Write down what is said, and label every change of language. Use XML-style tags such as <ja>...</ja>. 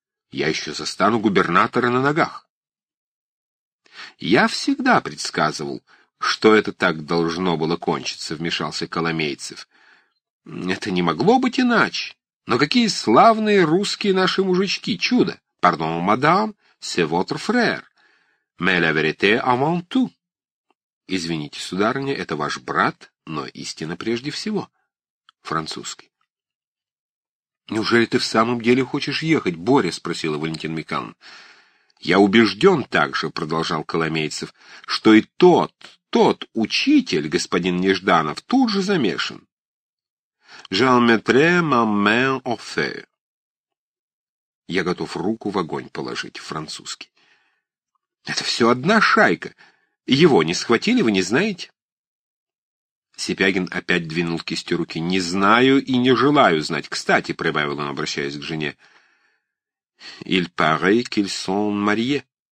<ru>Я еще застану губернатора на ногах». «Я всегда предсказывал, что это так должно было кончиться», — вмешался Коломейцев. «Это не могло быть иначе. Но какие славные русские наши мужички! Чудо!</ru> <fr>Pardon, мадам, c'est votre frère. Mais la vérité avant tout».</fr> <ru>«Извините, сударыня, это ваш брат, но истина прежде всего». Французский. «Неужели ты в самом деле хочешь ехать, Боря?» — спросила Валентин Михайловна. «Я убежден также», — продолжал Коломейцев, — «что и тот учитель, господин Нежданов, тут же замешан».</ru> <fr>«J'en mettrai ma main au feu».</fr> <ru>«Я готов руку в огонь положить», — французский. «Это все одна шайка. Его не схватили, вы не знаете?» Сипягин опять двинул кистью руки. «Не знаю и не желаю знать. Кстати», — прибавил он, обращаясь к жене,</ru> <fr>— «il paraît qu'ils sont mariés».</fr>